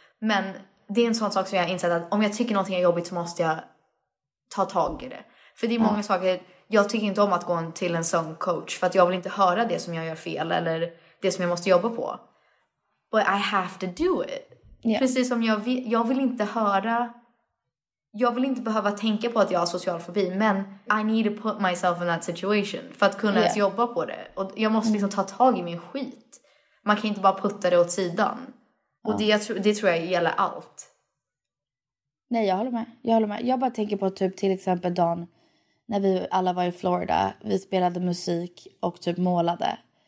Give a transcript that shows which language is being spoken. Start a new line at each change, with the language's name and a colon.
Swedish: Men det är en sån sak som jag har insett att om jag tycker någonting är jobbigt så måste jag ta tag i det. För det är många saker. Jag tycker inte om att gå till en sån coach. För att jag vill inte höra det som jag gör fel. Eller det som jag måste jobba på.
English: But I have to do it. Yeah.
Swedish: Precis som jag vill inte höra. Jag vill inte behöva tänka på att jag har social fobi. Men
English: I need to put myself in that situation.
Swedish: För att kunna ens jobba på det. Och jag måste liksom ta tag i min skit. Man kan inte bara putta det åt sidan. Ja. Och det tror jag gäller allt. Nej, jag håller med. Jag håller med. Jag bara tänker på typ till exempel dagen när vi alla var i Florida. Vi spelade musik och typ målade.